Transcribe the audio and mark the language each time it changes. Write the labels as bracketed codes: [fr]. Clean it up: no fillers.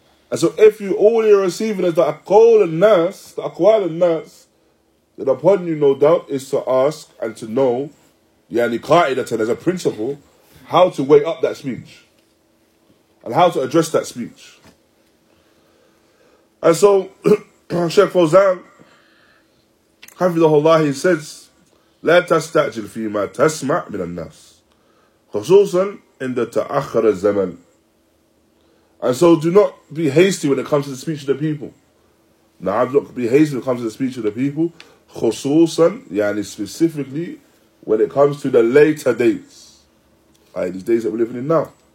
[en] And so if you all you're receiving is the aqwal al-nas, that upon you, no doubt, is to ask and to know, [ar] yani qa'idatan, [en] as a principle, how to weigh up that speech and how to address that speech. And so, Sheikh Fawzan, hafidhahullah, he says, [ar] لا تستعجل فيما تسمع من الناس خصوصا عند تأخر الزمن. [en] And so do not be hasty when it comes to the speech of the people. [ar] Na'am, [en] look, be hasty when it comes to the speech of the people. [ar] خصوصاً, [en] yani specifically, when it comes to the later days. Like these days that we're living in now.